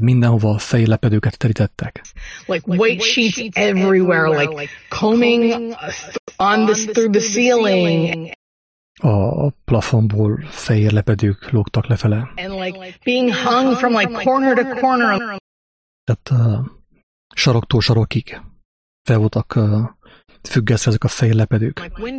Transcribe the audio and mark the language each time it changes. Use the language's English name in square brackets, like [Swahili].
[Hungarian] Mindenhova fehér lepedőket terítettek. [English] Like white sheets everywhere, like combing on this through the ceiling. [Hungarian] A plafonból fehér lepedők lógtak lefele. [English] And like being hung from like corner to corner. [Hungarian] Tehát saroktól sarokig fel voltak függesztve ezek a fehér lepedők.